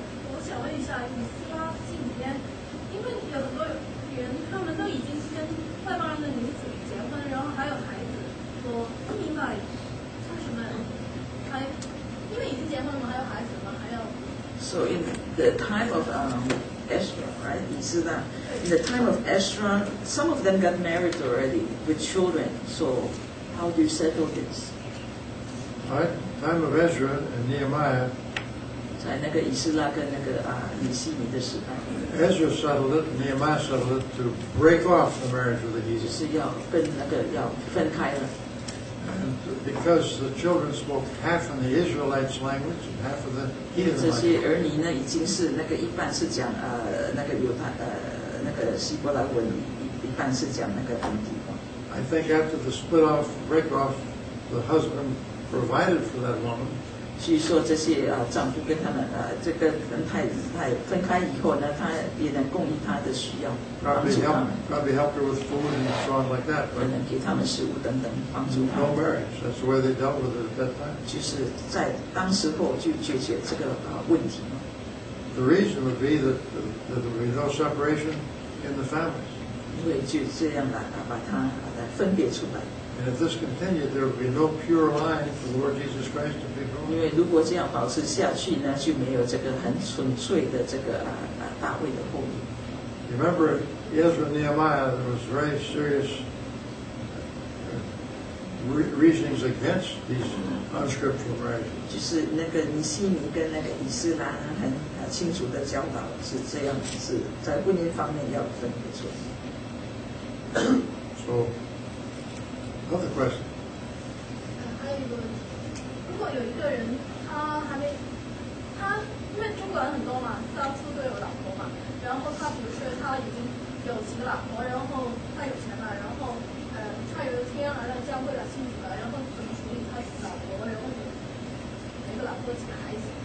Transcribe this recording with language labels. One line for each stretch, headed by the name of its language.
Chinese: 我想问一下，以斯拉信里面，因为有很多人他们都已经跟外邦人的女子结婚，然后还有孩子，我不明白为什么还因为已经结婚了还有孩子吗？还有。
English: So in the time of Ezra, right, Isla, in the time of Ezra, some of them got married already with children. So how do you settle this? Right, time of Ezra and Nehemiah.
Chinese: 在那个以斯拉跟那个尼希米的时代。
English: Ezra settled it, Nehemiah settled it to break off the marriage with the heathen.
Chinese: 是要分那个要分开了。
English: Because the children spoke half in the Israelites' language and half of the heathen language.
Chinese: 这些儿女呢，已经是那个一半是讲那个犹太那个希伯来文，一半是讲那个本地话。
English: I think after the split off, break off, the husband provided for that woman,
Chinese: 据说这些丈夫跟他们这个跟太太分开以后呢，他也能供应他的需要，帮助他们。
English: Probably helped her with food and so on like that.
Chinese: 也能给他们食物等等，帮助他们。
English: No marriage. That's the way they dealt with it at that time.
Chinese: 就是在当时候就解决这个问题。
English: The reason would be that there would be no separation in the families.
Chinese: 因为就这样来把他来分别出来。
English: And if this continued, there would be no pure line for the Lord Jesus Christ to be born.
Chinese: 因为如果这样保持下去呢，就没有这个很纯粹的这个大卫的后裔。
English: Remember, Ezra and Nehemiah, there was very serious reasonings against these unscriptural marriages.
Chinese: 就是那个尼希米跟那个以斯拉很清楚的教导是这样，是在婚姻方面要分别出来。
English: So. Another question.
Chinese: 还有一个问题，如果有一个人他还没，他因为中国人很多嘛，到处都有老婆嘛，然后他比如说他已经有几个老婆，然后他有钱了，然后他有一天来到教会了信主了，然后怎么处理他老婆，然后有一个老婆几个孩子